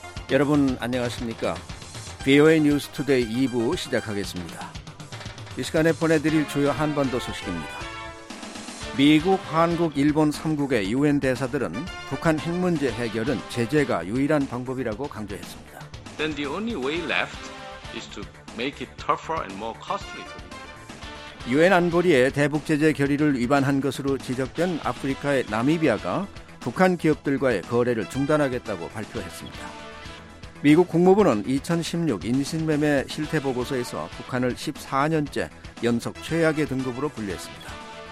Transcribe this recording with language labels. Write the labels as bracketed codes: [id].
[ko] 여러분 안녕하십니까? VOA News Today 2부 시작하겠습니다. 이 시간에 보내드릴 주요 한반도 소식입니다. 미국, 한국, 일본 3국의 UN 대사들은 북한 핵 문제 해결은 제재가 유일한 방법이라고 강조했습니다. [en] Then the only way left is to make it tougher and more costly. [ko] 유엔 안보리의 대북 제재 결의를 위반한 것으로 지적된 아프리카의 나미비아가 북한 기업들과의 거래를 중단하겠다고 발표했습니다. 미국 국무부는 2016 인신매매 실태 보고서에서 북한을 14년째 연속 최악의 등급으로 분류했습니다.